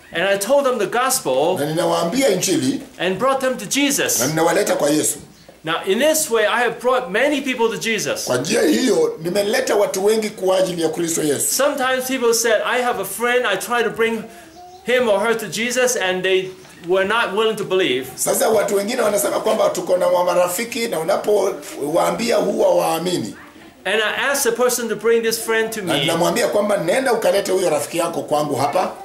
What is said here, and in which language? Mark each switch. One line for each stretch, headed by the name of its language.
English: And I told them the gospel.
Swahili: Na ninawaambia injili.
English: And brought them to Jesus.
Swahili: Na ninawaleta kwa Yesu.
English: Now in this way I have brought many people to Jesus.
Swahili: Kwa njia hiyo nimeleta watu wengi kwa ajili ya Kristo Yesu.
English: Sometimes people said, I have a friend, I try to bring him or her to Jesus and they were not willing to believe.
Swahili: Sasa watu wengine wanasema kwamba tuko na marafiki na unapowaambia huwa waamini.
English: And I asked the person to bring this friend to me.
Swahili: Na namwambia kwamba nenda ukalete huyo rafiki yako kwangu hapa.